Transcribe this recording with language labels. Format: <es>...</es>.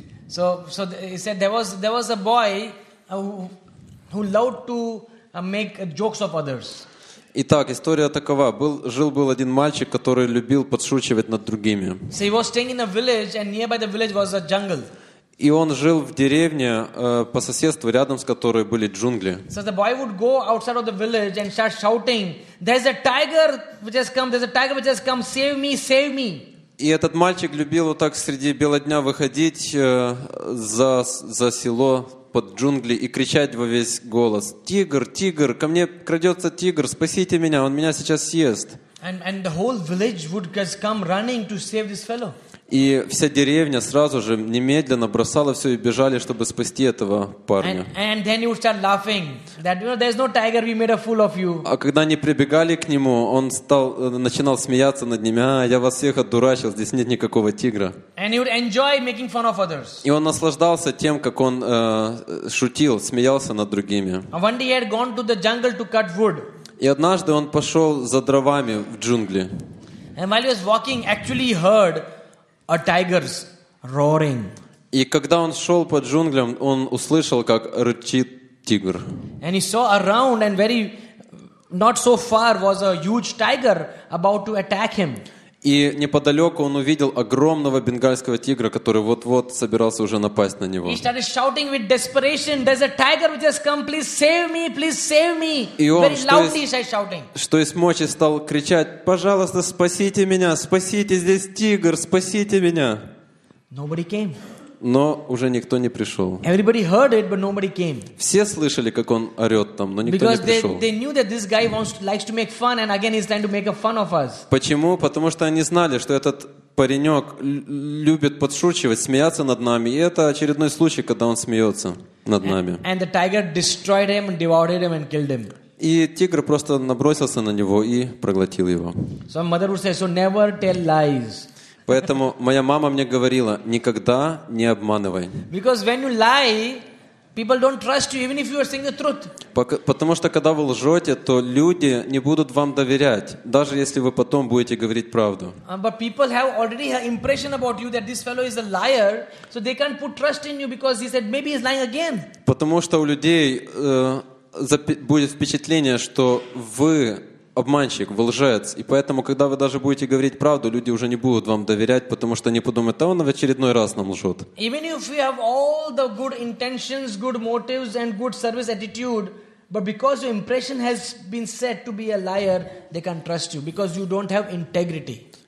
<en>So he said there was a boy who loved to make jokes of others.</en> <ru>Итак, история такова. Жил-был один мальчик, который любил подшучивать над другими.</ru> <en>So he was staying in a village, and nearby the village was a jungle.</en> <ru>И он жил в деревне, по соседству, рядом с которой были джунгли.</ru> <en>So the boy would go outside of the village and start shouting, "There's a tiger which has come, there's a tiger which has come, save me, save me!"</en> <ru>И этот мальчик любил вот так среди бела дня выходить за село под джунгли и кричать во весь голос: «Тигр, тигр, ко мне крадется тигр, спасите меня, он меня сейчас съест!»</ru> <en>And the whole village would just come running to save this fellow.</en> <ru>И вся деревня сразу же немедленно бросала все и бежали, чтобы спасти этого парня.</ru> <en>And then you start laughing that, you know, there's no tiger, we made a fool of you.</en> <ru>А когда они прибегали к нему, он начинал смеяться над ними: «А, я вас всех одурачил, здесь нет никакого тигра».</ru> <en>And he would enjoy making fun of others.</en> <ru>И он наслаждался тем, как он шутил, смеялся над другими.</ru> <en>And one day he had gone to the jungle to cut wood.</en> <ru>И однажды он пошел за дровами в джунгли.</ru> <en>And while he was walking, actually heard a tiger's roaring.</en> <ru>И когда он шел по джунглям, он услышал, как рычит тигр.</ru> <en>And he saw around, and very not so far was a huge tiger about to attack him.</en> <ru>И неподалеку он увидел огромного бенгальского тигра, который вот-вот собирался уже напасть на него.</ru> <en>He started shouting with desperation, "There's a tiger which has come, please save me, please save me!"</en> <ru>И он,</ru> <en>very loudly started shouting.</en> <ru>Что из мочи стал кричать: «Пожалуйста, спасите меня, спасите, здесь тигр, спасите меня!»</ru> <en>Nobody came.</en> <ru>Но уже никто не пришел.</ru> <en>Everybody heard it, but nobody came.</en> <ru>Все слышали, как он орет там, но никто</ru> <en>Because</en> <ru>не пришел.</ru> <en>Because they knew that this guy likes to make fun, and again he's trying to make a fun of us.</en> <ru>Почему? Потому что они знали, что этот паренек любит подшучивать, смеяться над нами, и это очередной случай, когда он смеется над нами.</ru> <en>And the tiger destroyed him, devoured him, and killed him.</en> <ru>И тигр просто набросился на него и проглотил его.</ru> <en>So mother would say, so never tell lies.</en> <ru>Поэтому моя мама мне говорила: никогда не обманывай.</ru> <en>Because when you lie, people don't trust you, even if you are saying the truth.</en> <ru>Потому что когда вы лжете, то люди не будут вам доверять, даже если вы потом будете говорить правду.</ru> <en>But people have already an impression about you that this fellow is a liar, so they can't put trust in you because he said maybe he's lying again.</en> <ru>Потому что у людей будет впечатление, что вы обманщик, вы лжец. И поэтому, когда вы даже будете говорить правду, люди уже не будут вам доверять, потому что они подумают: «Да он в очередной раз нам лжет».</ru> <en>Even if you have all the good intentions, good motives and good service attitude, but because your impression has been said to be a liar, they can't trust you because you don't have integrity.</en>